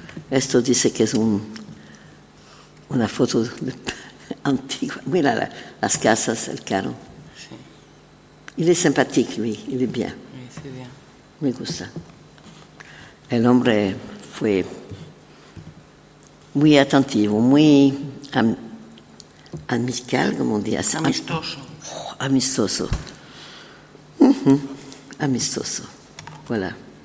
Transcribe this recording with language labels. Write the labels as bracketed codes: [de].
[es] Esto dice que es una foto antigua. Mira las casas, el caro. [fr] Sí. Il est sympathique, lui. Il est bien. [es] Sí, bien. Me gusta. El hombre fue muy atentivo, muy amical, como dirías. Amistoso. Amistoso. Amistoso. Voilà.